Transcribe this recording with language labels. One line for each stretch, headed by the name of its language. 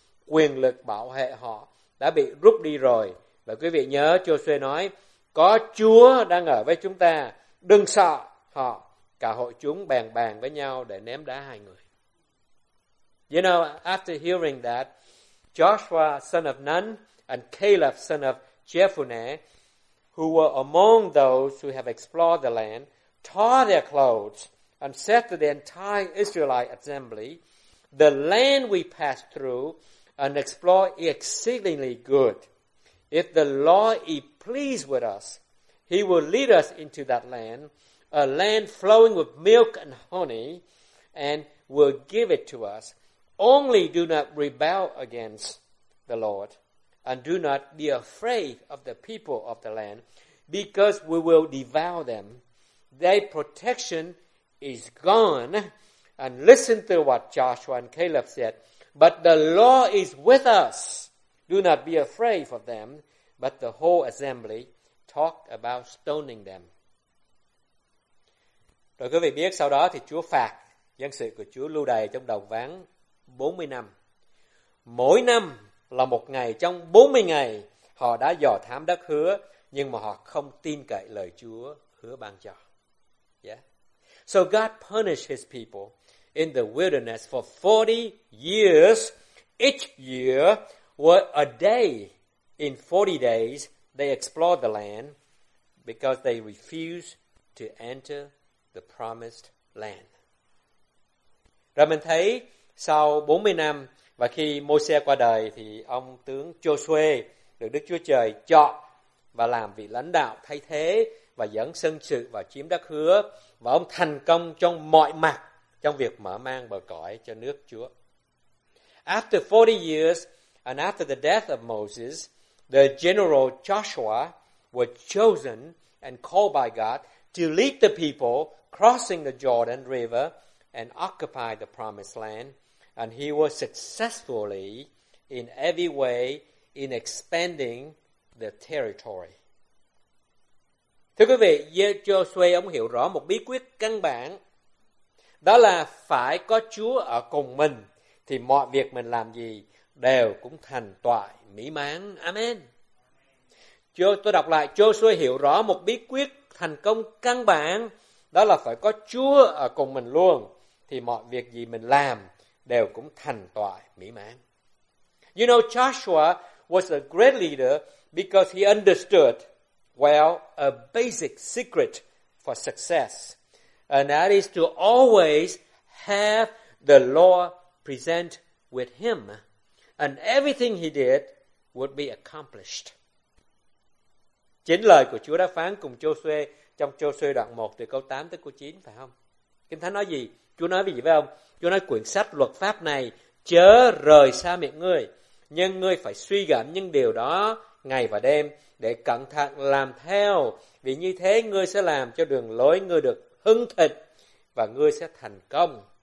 Vietnamese: Quyền lực bảo hệ họ đã bị rút đi rồi. Và quý vị nhớ Joshua nói, có Chúa đang ở với chúng ta, đừng sợ họ. Cả hội chúng bàn bàn với nhau để ném đá hai người.
English: You know, after hearing that, Joshua son of Nun and Caleb son of Jephunne, who were among those who have explored the land, tore their clothes and said to the entire Israelite assembly, the land we passed through and explored is exceedingly good. If the Lord is pleased with us, he will lead us into that land, a land flowing with milk and honey, and will give it to us. Only do not rebel against the Lord, and do not be afraid of the people of the land, because we will devour them. Their protection is gone. And listen to what Joshua and Caleb said, but the Lord is with us. Do not be afraid of them, but the whole assembly talked about stoning them.
Vietnamese: Rồi quý vị biết sau đó thì Chúa phạt dân sự của Chúa lưu đày trong đồng vắng 40 năm. Mỗi năm là một ngày trong 40 ngày họ đã dò thám đất hứa nhưng mà họ không tin cậy lời Chúa hứa ban cho. Yeah.
English: So God punished his people in the wilderness for 40 years. Each year were a day. In 40 days they explored the land because they refused to enter the promised land.
Vietnamese: Rồi mình thấy sau 40 năm và khi Môi-se qua đời thì ông tướng Giô-suê được Đức Chúa Trời chọn và làm vị lãnh đạo thay thế và dẫn dân sự vào chiếm đất hứa và ông thành công trong mọi mặt trong việc mở mang bờ cõi cho nước Chúa.
English: After 40 years and after the death of Moses, the general Joshua was chosen and called by God to lead the people crossing the Jordan River and occupy the promised land. And he was successfully in every way in expanding the territory.
Vietnamese: Thưa quý vị, Joshua ông hiểu rõ một bí quyết căn bản. Đó là phải có Chúa ở cùng mình thì mọi việc mình làm gì đều cũng thành toại mỹ mãn. Amen. Tôi đọc lại, Joshua hiểu rõ một bí quyết thành công căn bản. Đó là phải có Chúa ở cùng mình luôn thì mọi việc gì mình làm đều cũng thành toại mỹ mãn.
English: You know, Joshua was a great leader because he understood well a basic secret for success, and that is to always have the Lord present with him, and everything he did would be accomplished.
Vietnamese: Chính lời của Chúa đã phán cùng Joshua trong Joshua đoạn 1 từ câu 8 tới câu 9, phải không? Kinh Thánh nói gì? Chúa nói gì với ông? Chúa nói quyển sách luật pháp này chớ rời xa miệng ngươi, nhưng ngươi phải suy gẫm những điều đó ngày và đêm để cẩn thận làm theo, vì như thế ngươi sẽ làm cho đường lối ngươi được hưng thịnh và ngươi sẽ thành công.